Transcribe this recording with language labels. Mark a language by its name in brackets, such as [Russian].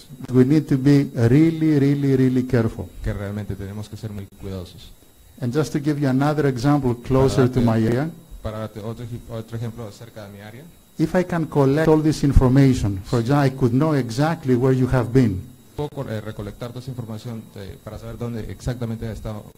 [English] we need to be really, really, really careful. [Spanish] Que realmente tenemos que ser muy cuidadosos. [English] And just to give you another example closer to my area. [Spanish] Para darte otro ejemplo cerca de mi área. [English] If I can collect all this information, for example, I could know exactly where you have been. [Spanish] Puedo recolectar toda esa información para saber dónde exactamente ha estado.